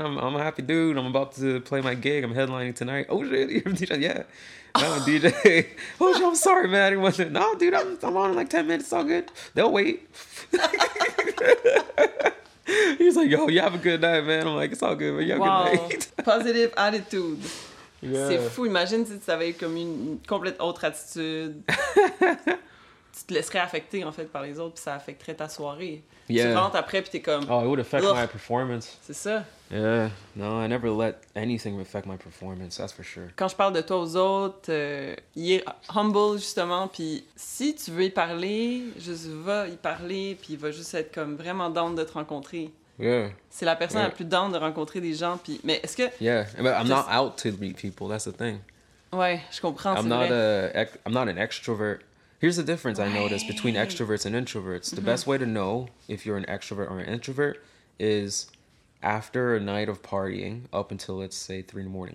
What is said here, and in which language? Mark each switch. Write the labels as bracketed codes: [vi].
[en] I'm a happy dude. I'm about to play my gig. I'm headlining tonight. Oh, shit. You're a DJ? Yeah. No, I'm a DJ. Oh, shit. I'm sorry, man. He wasn't. No, dude, I'm on in like 10 minutes. It's all good. They'll wait. He's like, yo, you have a good night, man. I'm like, it's all good, man. You have a good night. Positive attitude. Yeah. [fr] C'est fou. Imagine si tu avais comme une complète autre attitude. Tu te laisserais affecter, en fait, par les autres, puis ça affecterait ta soirée. Yeah. Tu rentres après, puis t'es comme... [en] Oh, it would affect my performance. [fr] C'est ça. [en] Yeah. No, I never let anything affect my performance, that's for sure. [fr] Quand je parle de toi aux autres, y est humble, justement, puis si tu veux y parler, juste va y parler, puis il va juste être comme vraiment down de te rencontrer. [en] Yeah. [fr] C'est la personne la plus down de rencontrer des gens, puis... Mais est-ce que... [en] Yeah, but I'm not out to meet people, that's the thing. [fr] Ouais, je comprends, [en] I'm not vrai. I'm not an extrovert. Here's the difference I noticed between extroverts and introverts. The best way to know if you're an extrovert or an introvert is after a night of partying up until, let's say, 3 in the morning.